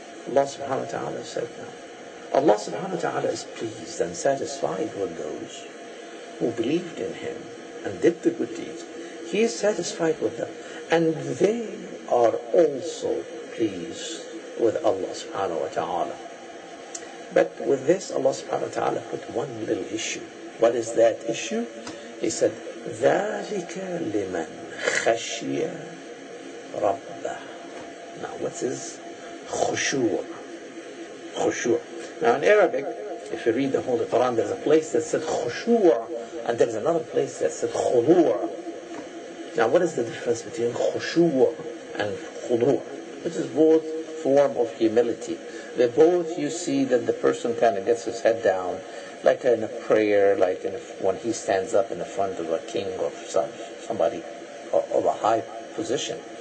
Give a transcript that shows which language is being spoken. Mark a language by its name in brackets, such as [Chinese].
[English] Allah subhanahu wa ta'ala said now, Allah subhanahu wa ta'ala is pleased and satisfied with those who believed in him and did the good deeds. He is satisfied with them. And they are also pleased with Allah subhanahu wa ta'ala. But with this, Allah subhanahu wa ta'ala put one little issue. What is that issue? He said, [Arabic] ذَلِكَ لِمَنْ خَشِيَ رَبَّهُ. [English] Now, what is khushu'? Khushu'. Now, in Arabic, if you read the Holy Quran, there's a place that said khushu', and there's another place that said khudu'. Now, what is the difference between khushu' and khudu'? It is both form of humility. They both, you see that the person kind of gets his head down, like in a prayer, like in a, when he stands up in the front of a king or somebody of a high position.